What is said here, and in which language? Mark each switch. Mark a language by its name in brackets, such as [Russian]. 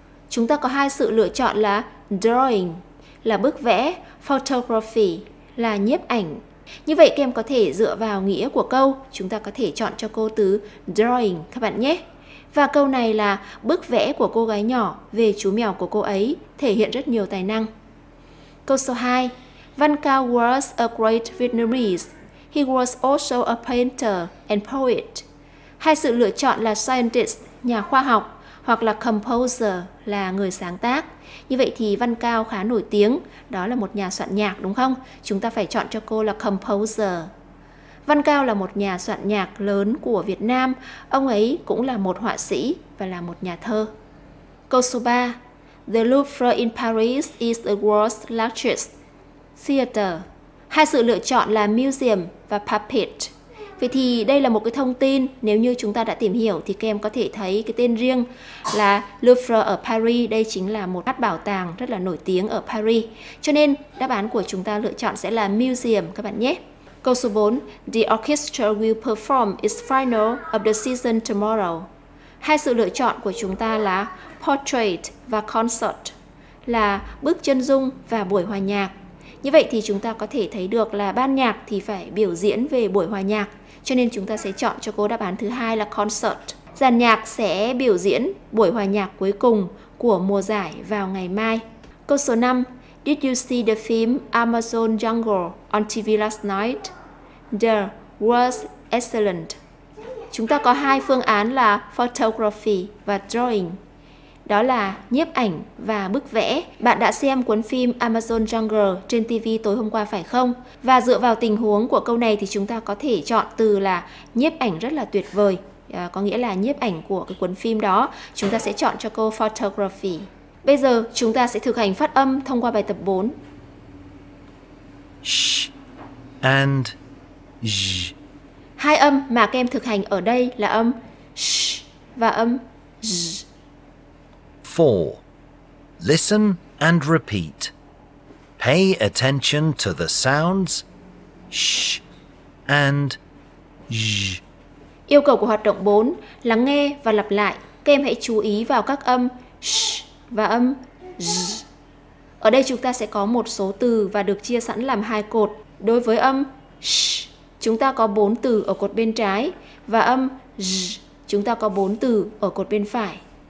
[Vietnamese] Chúng ta có 2 sự lựa chọn là drawing, là bức vẽ, photography, là nhiếp ảnh. Như vậy các em có thể dựa vào nghĩa của câu, chúng ta có thể chọn cho cô từ drawing các bạn nhé. Và câu này là bức vẽ của cô gái nhỏ về chú mèo của cô ấy thể hiện rất nhiều tài năng. Câu số 2. [English] Văn Cao was a great Vietnamese. He was also a painter and poet. [Vietnamese] 2 sự lựa chọn là scientist, nhà khoa học, hoặc là composer, là người sáng tác. Như vậy thì Văn Cao khá nổi tiếng, đó là một nhà soạn nhạc đúng không? Chúng ta phải chọn cho cô là composer. Văn Cao là một nhà soạn nhạc lớn của Việt Nam. Ông ấy cũng là một họa sĩ và là một nhà thơ. Câu số 3. [English] The Louvre in Paris is the world's largest theater. [Vietnamese] 2 sự lựa chọn là museum và puppet. Vậy thì đây là một cái thông tin, nếu như chúng ta đã tìm hiểu thì các em có thể thấy cái tên riêng là Louvre ở Paris, đây chính là một bảo tàng rất là nổi tiếng ở Paris. Cho nên đáp án của chúng ta lựa chọn sẽ là museum các bạn nhé. Câu số 4. [English] The orchestra will perform its final of the season tomorrow. [Vietnamese] 2 sự lựa chọn của chúng ta là portrait và concert, là bức chân dung và buổi hòa nhạc. Như vậy thì chúng ta có thể thấy được là ban nhạc thì phải biểu diễn về buổi hòa nhạc. Cho nên chúng ta sẽ chọn cho cô đáp án thứ hai là concert. Dàn nhạc sẽ biểu diễn buổi hòa nhạc cuối cùng của mùa giải vào ngày mai. Câu số 5. [English] Did you see the film Amazon Jungle on TV last night? The was excellent. [Vietnamese] Chúng ta có 2 phương án là photography và drawing. Đó là nhiếp ảnh và bức vẽ. Bạn đã xem cuốn phim Amazon Jungle trên TV tối hôm qua phải không? Và dựa vào tình huống của câu này thì chúng ta có thể chọn từ là nhiếp ảnh rất là tuyệt vời. Có nghĩa là nhiếp ảnh của cái cuốn phim đó. Chúng ta sẽ chọn cho câu photography. Bây giờ chúng ta sẽ thực hành phát âm thông qua bài tập 4. [English] Sh and j. [Vietnamese] 2 âm mà các em thực hành ở đây là âm sh và âm j. [English] 4. Listen and repeat. Pay attention to the sounds sh and j. [Vietnamese] Yêu cầu của hoạt động 4, lắng nghe và lặp lại. Các em hãy chú ý vào các âm sh và âm j. Ở đây chúng ta sẽ có một số từ và được chia sẵn làm 2 cột. Đối với âm sh, chúng ta có 4 từ ở cột bên trái và âm j, chúng ta có 4 từ ở cột bên phải.